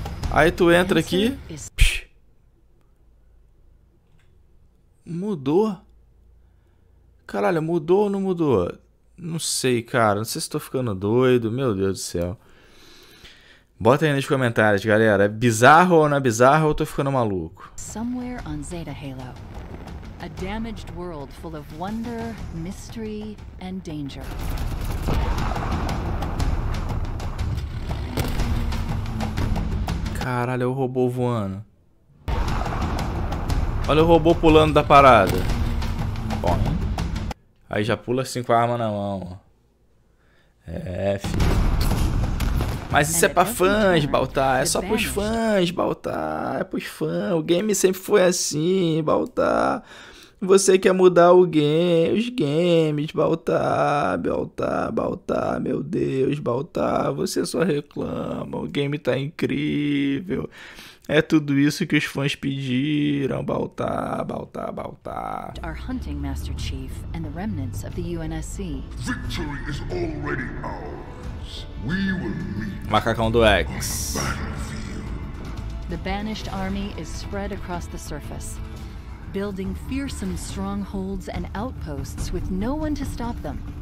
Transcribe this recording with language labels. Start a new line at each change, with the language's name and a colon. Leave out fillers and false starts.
Portuguese: Aí tu entra aqui. Psh, mudou? Caralho, mudou ou não mudou? Não sei, cara. Não sei se tô ficando doido. Meu Deus do céu. Bota aí nos comentários, galera. É bizarro ou não é bizarro ou eu tô ficando maluco?
English: Somewhere on Zeta Halo. A damaged world full of wonder, mystery and danger.
Portuguese: Caralho, é o robô voando. Olha o robô pulando da parada. Bom, hein? Aí já pula assim com a arma na mão. Filho. Mas isso é pra fãs, Baltar. É só pros fãs, Baltar. É pros fãs. O game sempre foi assim, Baltar. Você quer mudar o game, os games, Baltar. Meu Deus, Baltar. Você só reclama. O game tá incrível. É tudo isso que os fãs pediram, Baltar.
English: Our hunting master chief and the remnants of the UNSC. Victory is already ours. We will meet. Macacão do X. The banished army is spread across the surface, building fearsome strongholds and outposts with no one to stop them.